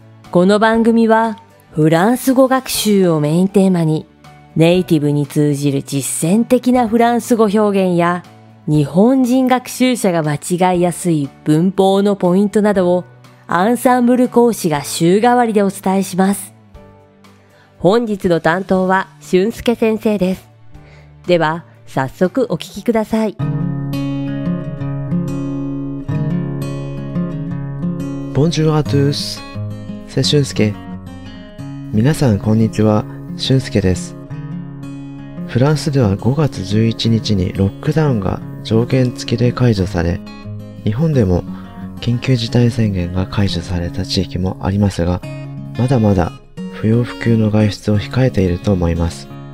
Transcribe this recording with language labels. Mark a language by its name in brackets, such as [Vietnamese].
[Japanese] この番組はフランス語学習をメインテーマに、ネイティブに通じる実践的なフランス語表現や日本人学習者が間違いやすい文法のポイントなどをアンサンブル講師が週替わりでお伝えします。本日の担当は俊介先生です。では早速お聞きください。 [French] Bonjour à tous, c'est 俊介。 [Japanese] 皆さんこんにちは、俊介です。フランスでは5月11日にロックダウンが条件付きで解除され、日本でも緊急事態宣言が解除された地域もありますが、まだまだ不要不急の外出を控えていると思います。